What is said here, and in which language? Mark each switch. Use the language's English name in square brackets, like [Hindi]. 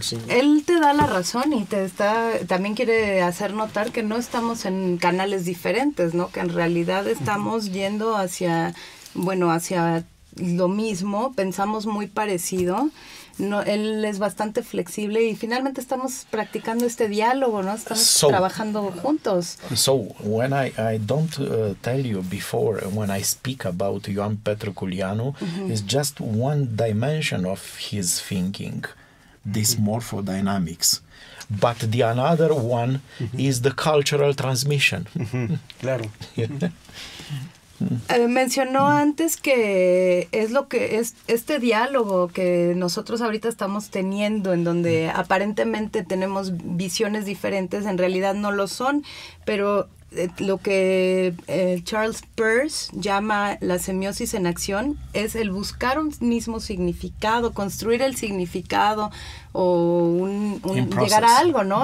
[Spanish] Él te da la razón y te está también quiere hacer notar que no estamos en canales diferentes, ¿no? Que en realidad estamos yendo hacia, bueno, hacia lo mismo, pensamos muy parecido. No, él es bastante flexible y finalmente estamos practicando este diálogo, ¿no? Estamos trabajando juntos. [English] So, when I don't tell you before, when I speak about Ioan Petru Culianu, it's just one dimension of his thinking, this morphodynamics. But the another one is the cultural transmission. [Spanish] Claro. Mencionó antes que es lo que es este diálogo que nosotros ahorita estamos teniendo, en donde aparentemente tenemos visiones diferentes, en realidad no lo son, pero lo que Charles Peirce llama la semiosis en acción es el buscar un mismo significado, construir el significado o un llegar a algo, ¿no?